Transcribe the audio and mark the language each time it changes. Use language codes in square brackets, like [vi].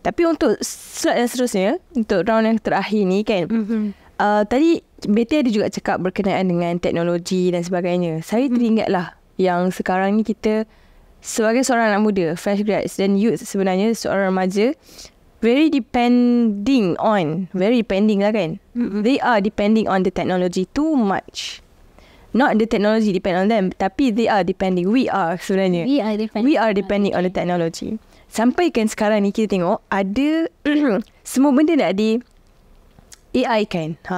[ms] Tapi untuk slot yang seterusnya, untuk round yang terakhir ni kan. Tadi Betty ada juga cakap berkenaan dengan teknologi dan sebagainya. Saya teringatlah yang sekarang ni kita sebagai seorang anak muda, [en] fresh grads [ms] dan youth sebenarnya, seorang remaja, [en] very depending [ms] lah kan. [en] They are depending on the technology too much. Not the technology depend on them, [ms] tapi [en] they are depending. We are [ms] sebenarnya. [en] We are depending on the technology. [ms] Sampai kan sekarang ni kita tengok ada semua benda nak di AI kan?